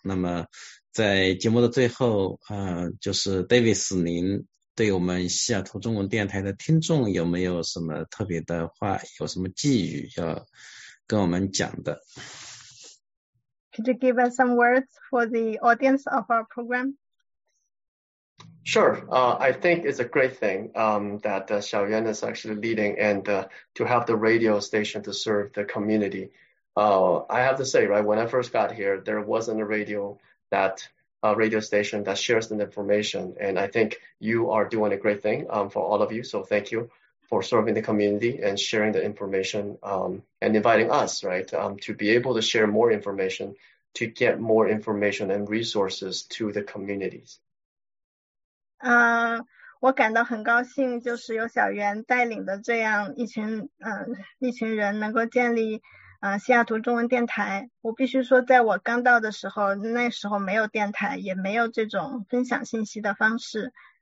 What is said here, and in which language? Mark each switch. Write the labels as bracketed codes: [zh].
[zh] 那么在节目的最后就是 Davis， 您对我们西雅图中文电台的听众有没有什么特别的话，有什么寄语要跟我们讲的？ [en] Could you give us some words for the audience of our program? Sure. I think it's a great thing that Xiao Yuan is actually leading and to have the radio station to serve the community. I have to say, right, when I first got here, there wasn't a radio station that shares the information. And I think you are doing a great thing for all of you. So thank you for serving the community and sharing the information and inviting us, right, to be able to share more information, to get more information and resources to the communities. [zh] 我感到很高兴，就是有小袁带领的这样一群人能够建立西雅图中文电台。我必须说，在我刚到的时候，那时候没有电台，也没有这种分享信息的方式。